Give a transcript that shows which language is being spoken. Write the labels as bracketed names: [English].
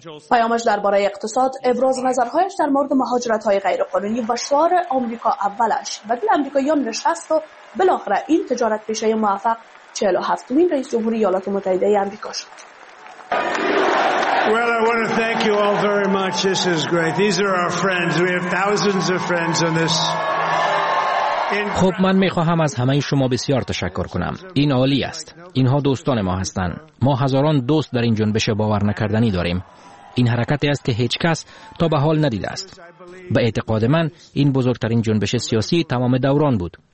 [Persian] پیامش درباره اقتصاد، ابراز نظرهایش در مورد مهاجرت‌های غیرقانونی و شعار آمریکا اولش و دل آمریکاییان نشست و بالاخره این تجارت پیشه موفق 47th رئیس جمهوری ایالات متحده آمریکا شد. [English] Well, I want to thank you all very much. This is great. These are our friends. We have thousands of friends on this. [Persian] خب من میخواهم از همه شما بسیار تشکر کنم. این عالی است. اینها دوستان ما هستند. ما هزاران دوست در این جنبش باور نکردنی داریم. این حرکتی است که هیچ کس تا به حال ندیده است. به اعتقاد من این بزرگترین جنبش سیاسی تمام دوران بود.